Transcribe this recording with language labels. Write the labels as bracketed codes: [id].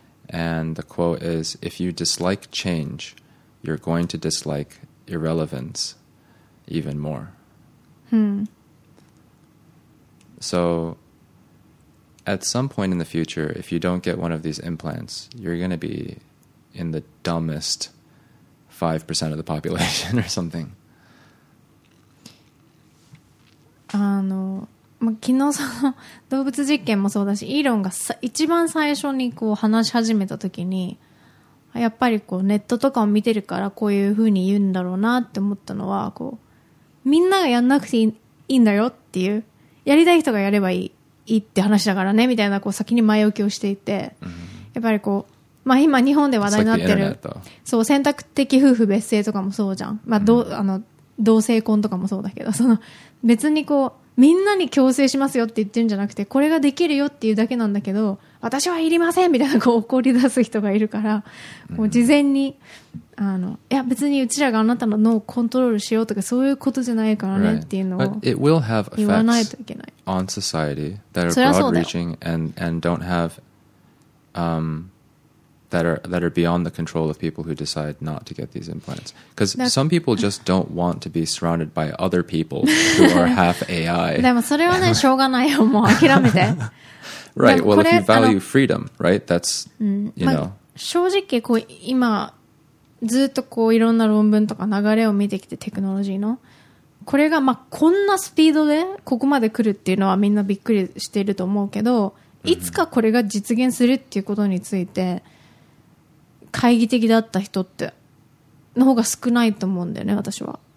[en] And the quote is, if you dislike change, you're going to dislike irrelevance even more. So, at some point in the future, if you don't get one of these implants, you're going to be in the dumbest 5% of the population or something. [ja] あの、まあ、昨日その動物実験もそうだし、イーロンが一番最初にこう話し始めた時に、やっぱりこうネットとかを見てるからこういう風に言うんだろうなって思ったのは、こうみんながやんなくていいんだよっていう、やりたい人がやればいい、いいって話だからねみたいな、こう先に前置きをしていて、やっぱりこう、まあ、今日本で話題になってる、そう、選択的夫婦別姓とかもそうじゃん、まあ、どあの同性婚とかもそうだけど、その別にこうみんなに強制しますよって言ってるんじゃなくて、これができるよっていうだけなんだけど、私はいりませんみたいな、こう怒り出す人がいるから、こう事前に、あの、いや別にうちらがあなたの脳をコントロールしようとかそういうことじゃないからねっていうのを言わないといけない。 [en] On society that are broad reaching and don't have、that are beyond the control of people who decide not to get these implants. Because some people just don't want to be surrounded by other people who are half AI. [ja] でもそれはね、しょうがないよ。もう諦めて。 [en] Right. Well, if you value freedom, right? That's, you know. [ja] 正直、こう、今、ずっとこう、いろんな論文とか流れを見てきて、テクノロジーの。これが、まあ、こんなスピードでここまで来るっていうのはみんなびっくりしていると思うけど、いつかこれが実現するっていうことについて、懐疑的だった人っての方が少ないと思うんだよね、私は。